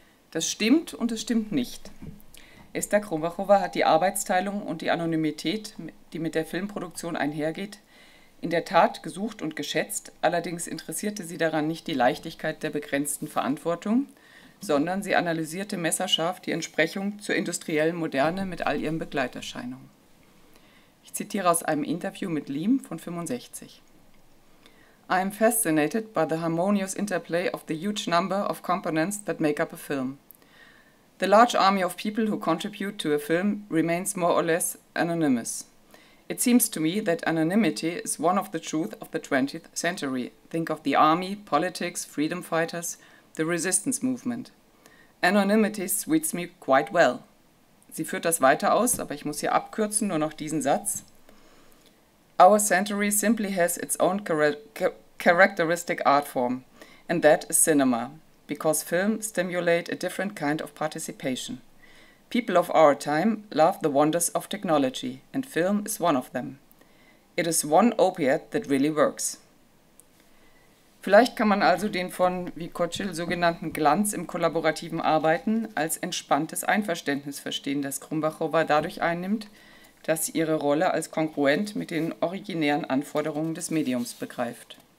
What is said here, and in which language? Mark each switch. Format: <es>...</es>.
<de>Das stimmt und es stimmt nicht. Esther Krumbachowa hat die Arbeitsteilung und die Anonymität, die mit der Filmproduktion einhergeht, in der Tat gesucht und geschätzt, allerdings interessierte sie daran nicht die Leichtigkeit der begrenzten Verantwortung, sondern sie analysierte messerscharf die Entsprechung zur industriellen Moderne mit all ihren Begleiterscheinungen. Ich zitiere aus einem Interview mit Liem von 65.</de> <en>I am fascinated by the harmonious interplay of the huge number of components that make up a film. The large army of people who contribute to a film remains more or less anonymous. It seems to me that anonymity is one of the truths of the 20th century. Think of the army, politics, freedom fighters, the resistance movement. Anonymity suits me quite well.</en> <de>Sie führt das weiter aus, aber ich muss hier abkürzen, nur noch diesen Satz.</de> <en>Our century simply has its own characteristic art form, and that is cinema, because film stimulate a different kind of participation. People of our time love the wonders of technology, and film is one of them. It is one opiate that really works.</en> <de>Vielleicht kann man also den von Vykhodshyl sogenannten Glanz im kollaborativen Arbeiten als entspanntes Einverständnis verstehen, das Krumbachowa dadurch einnimmt, dass sie ihre Rolle als kongruent mit den originären Anforderungen des Mediums begreift.</de>